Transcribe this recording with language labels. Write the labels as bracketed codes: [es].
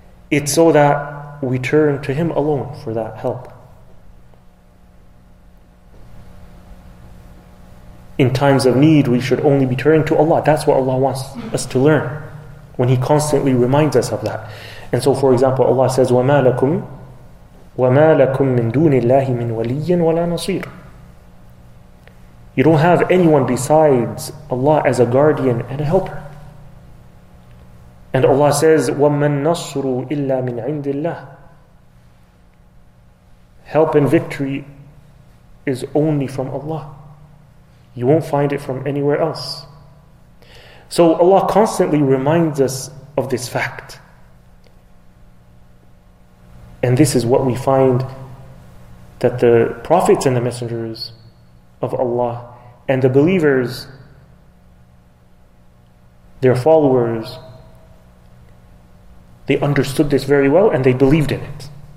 [en] It's so that we turn to Him alone for that help. In times of need, we should only be turning to Allah. That's what Allah wants us to learn, when He constantly reminds us of that. And so, for example, Allah says, [ar] وَمَا لَكُمْ مِن دُونِ اللَّهِ مِن وَلِيٍّ وَلَا نَصِيرٍ. [en] You don't have anyone besides Allah as a guardian and a helper. And Allah says, [ar] وَمَن نَصْرُ إِلَّا مِنْ عِنْدِ اللَّهِ. [en] Help and victory is only from Allah. You won't find it from anywhere else. So Allah constantly reminds us of this fact. And this is what we find that the prophets and the messengers of Allah and the believers, their followers, they understood this very well and they believed in it.